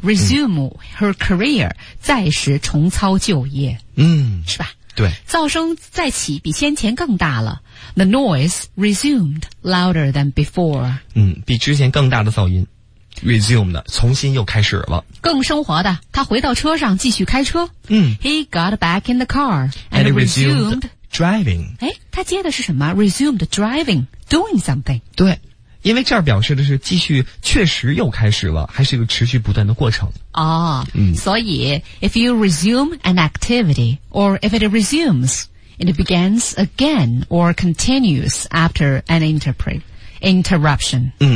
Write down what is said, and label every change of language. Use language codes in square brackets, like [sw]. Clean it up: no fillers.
[en] resume her career, [zh] 暂时重操旧业。是吧，对。噪声再起比先前更大了。 [en] The noise resumed louder than before. [zh] 比之前更大的噪音 resumed, 重新又开始了。更生活的，他回到车上继续开车。 [en] He got back in the car and resumed driving. [zh] 诶，他接的是什么？ [en] resumed driving, doing something. [zh] 对，因为这儿表示的是继续确实又开始了，还是一个持续不断的过程。 [en] 所以 if you resume an activity, or if it resumes,It begins again or continues after an interruption.